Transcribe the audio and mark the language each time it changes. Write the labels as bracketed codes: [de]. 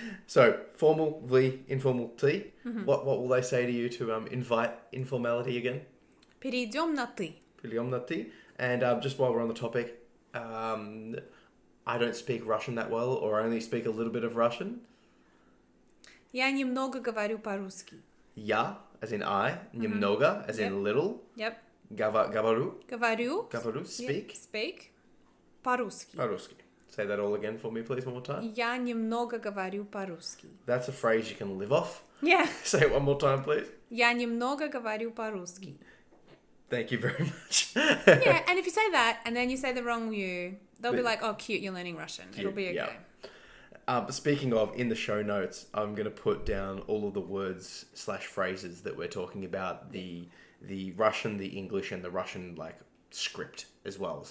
[en] So, formal Vli, informal Ti. Mm-hmm. What will they say to you to invite informality again? [ru] Перейдем на ты. Перейдем на ты. [en] And just while we're on the topic... I don't speak Russian that well, or I only speak a little bit of Russian. [ru] Я немного говорю по-русски. [en] Я, as in I, немного, mm-hmm. as yep. in little. Yep. [ru] Говорю. Говорю. Говорю, speak. [en] Yep. Speak. По-русски. [ru] По-русски. [en] Say that all again for me, please, one more time. [ru] Я немного говорю по-русски. [en] That's a phrase you can live off. Yeah. Say it one more time, please. [ru] Я немного говорю по-русски. [en] Thank you very much. Yeah, and if you say that and then you say the wrong you, they'll be like, oh, cute, you're learning Russian. Cute. It'll be okay. Yep. Speaking of, in the show notes, I'm going to put down all of the words / phrases that we're talking about, the Russian, the English, and the Russian, like, script as well.